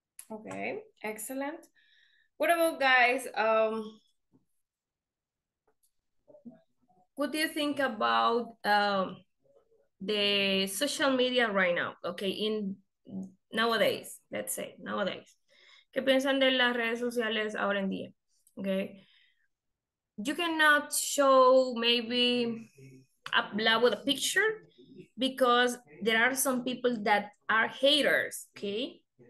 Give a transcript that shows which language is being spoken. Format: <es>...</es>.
<en>Okay, excellent. What about guys? What do you think about the social media right now? Okay, in nowadays, let's say, nowadays.</en> <es>¿Qué piensan de las redes sociales ahora en día?</es> <en>Okay. You cannot show maybe upload with a picture because there are some people that are haters, okay?</en>